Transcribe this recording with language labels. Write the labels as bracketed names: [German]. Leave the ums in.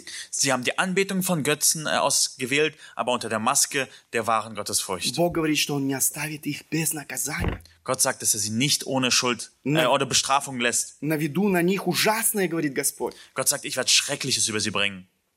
[German] Sie haben die Anbetung von Götzen ausgewählt, aber unter der Maske der wahren Gottesfurcht. [Russian] Бог говорит, что Он не оставит их без наказания. [German] Gott sagt, dass er sie nicht ohne Schuld äh, na, oder Bestrafung lässt. Na na nich, [Russian] ужасne, [German] Gott sagt, ich werde Schreckliches über sie bringen.